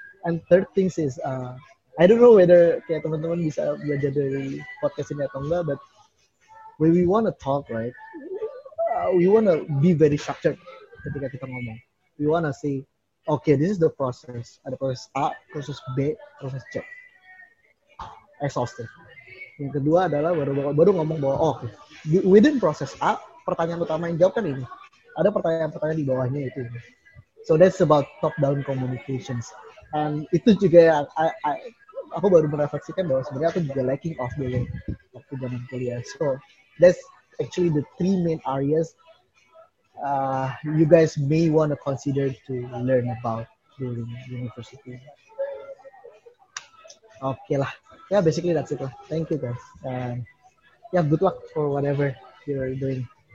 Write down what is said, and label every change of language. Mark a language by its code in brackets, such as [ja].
[en] And third thing is, I don't know whether [id] kayak teman-teman bisa belajar dari podcast ini atau enggak, [en] but when we want to talk, right, we want to be very structured [id] ketika kita ngomong. [en] We want to say, okay, this is the process. [id] Ada proses A, proses B, proses C. Exhaustive. Yang kedua adalah baru ngomong bahwa, oh, within proses A, pertanyaan utama yang jawab kan ini. Ada pertanyaan-pertanyaan di bawahnya itu. [en] So that's about top-down communications. [id] And itu juga yang aku baru merefleksikan bahwa sebenarnya aku juga [en] lacking of the way [id] waktu zaman kuliah. [en] So that's actually the three main areas you guys may want to consider to learn about during university. Okay lah. Yeah, basically that's it lah. Thank you guys. Yeah, good luck for whatever you're doing.